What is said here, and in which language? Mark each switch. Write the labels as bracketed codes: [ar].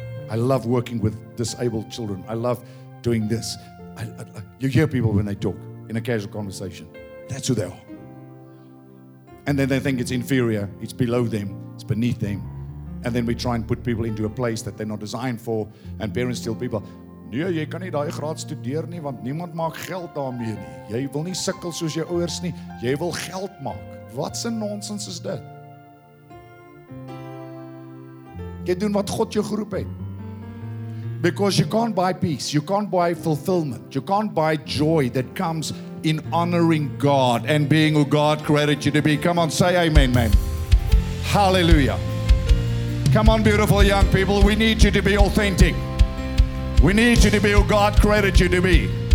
[en] I love working with disabled children. I love doing this. You hear people when they talk in a casual conversation. That's who they are. And then they think it's inferior. It's below them. It's beneath them. And then we try and put people into a place that they're not designed for. [af] And parents tell people, nee, jy kan nie daai graad studeer nie, want niemand maak geld daarmee nie. Jy wil nie sukkel soos jou ouers nie. Jy wil geld maak. Wat 'n nonsens is dit? Jy doen wat God jou geroep het. [en] Because you can't buy peace, you can't buy fulfillment, you can't buy joy that comes in honoring God and being who God created you to be. Come on, say amen, man. Hallelujah. Come on, beautiful young people, we need you to be authentic. We need you to be who God created you to be.